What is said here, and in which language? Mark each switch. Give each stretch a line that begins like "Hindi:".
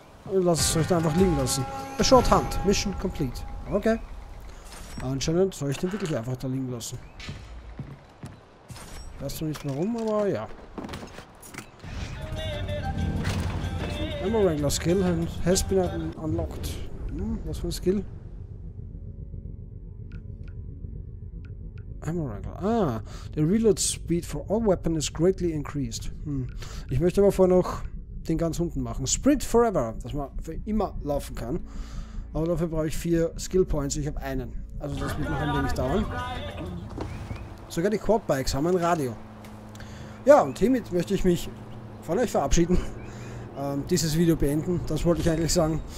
German: Lass es euch da einfach liegen lassen.
English: A short hunt. Mission complete.
German: Okay. Anscheinend soll ich den wirklich einfach da liegen lassen. Weiß noch nicht warum, aber ja.
English: Ammo Wrangler Skill has been unlocked. Hm,
German: was für ein Skill?
English: Ammo Wrangler. Ah, the reload speed for all weapon is greatly increased. Hm.
German: Ich möchte aber vorher noch den ganz unten machen.
English: Sprint forever,
German: dass man für immer laufen kann. Aber dafür brauche ich 4 Skill Points. Ich habe einen. Also das wird noch ein wenig dauern. Sogar die Quad Bikes haben ein Radio. Ja, und hiermit möchte ich mich von euch verabschieden. Dieses Video beenden. Das wollte ich eigentlich sagen.